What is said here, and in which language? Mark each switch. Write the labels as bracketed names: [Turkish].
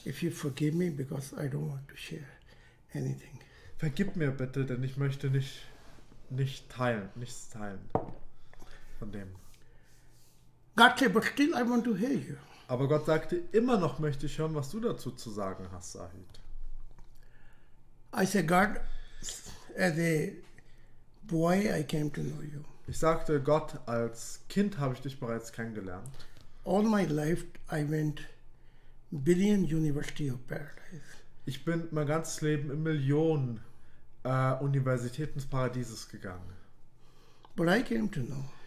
[English] if you forgive me because I don't want to share anything. [German] Vergib mir bitte, denn ich möchte nichts teilen von dem. [English] God said, but still I want to hear you. [German] Aber Gott sagte, immer noch möchte ich hören, was du dazu zu sagen hast, Sahid. [English] I said, God, as a boy I came to know you. [German] Ich sagte, Gott, als Kind habe ich dich bereits kennengelernt. [English] All my life I went billion university of paradise. [German] Ich bin mein ganzes Leben in Millionen Universitäten des Paradieses gegangen. [English] But I came to know.